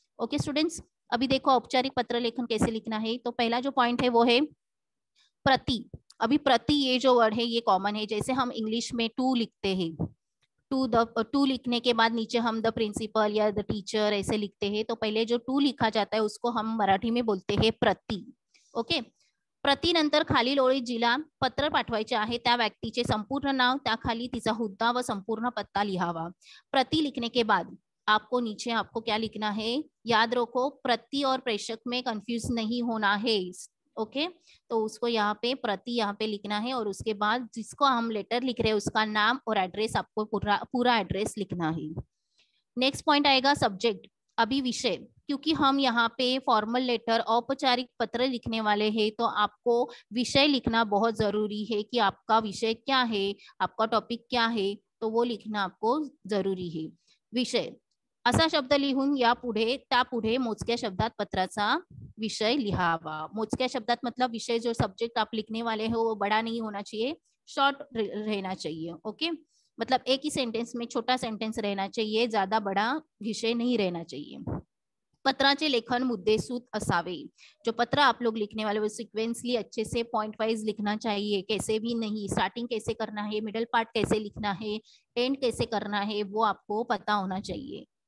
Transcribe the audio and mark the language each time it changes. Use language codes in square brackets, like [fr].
[hi] Okay students, अभी देखो औपचारिक पत्र लेखन कैसे लिखना है। तो पहला जो पॉइंट है वो है प्रति। अभी प्रति ये जो वर्ड है ये कॉमन है, जैसे हम इंग्लिश में टू लिखते हैं, टू लिखने के बाद नीचे हम द प्रिंसिपल या द टीचर ऐसे लिखते हैं, तो पहले जो टू लिखा जाता है उसको हम मराठी में बोलते हैं प्रति। [mr] ओके, प्रति नंतर खालील ओळी जिला पत्र पाठवायचे आहे त्या व्यक्तीचे संपूर्ण नाव, त्याखाली तिचा हुद्दा व संपूर्ण पत्ता लिहावा। [hi] प्रति लिखने के बाद आपको नीचे आपको क्या लिखना है, याद रखो प्रति और प्रेषक में कंफ्यूज नहीं होना है। ओके, तो उसको यहाँ पे प्रति यहाँ पे लिखना है, और उसके बाद जिसको हम लेटर लिख रहे हैं उसका नाम और एड्रेस आपको पूरा पूरा एड्रेस लिखना है। नेक्स्ट पॉइंट आएगा सब्जेक्ट, अभी विषय, क्योंकि हम यहाँ पे फॉर्मल लेटर औपचारिक पत्र लिखने वाले हैं, तो आपको विषय लिखना बहुत जरूरी है कि आपका विषय क्या है, आपका टॉपिक क्या है, तो वो लिखना आपको जरूरी है। [mr] विषय असा शब्द लिहून या पुढे त्या पुढे मोजक्या शब्दात पत्राचा विषय लिहावा। [hi] मोजक्या शब्दात मतलब विषय, जो सब्जेक्ट आप लिखने वाले हो वो बड़ा नहीं होना चाहिए, शॉर्ट रहना चाहिए। ओके, मतलब एक ही सेंटेंस में छोटा सेंटेंस रहना चाहिए, ज्यादा बड़ा विषय नहीं रहना चाहिए। [mr] पत्राचे लेखन मुद्दे सूत असावे, [hi] जो पत्र आप लोग लिखने वाले हो सिक्वेंसली अच्छे से पॉइंट वाइज लिखना चाहिए, कैसे भी नहीं, स्टार्टिंग कैसे करना है, मिडल पार्ट कैसे लिखना है, एंड कैसे करना है, वो आपको पता होना चाहिए।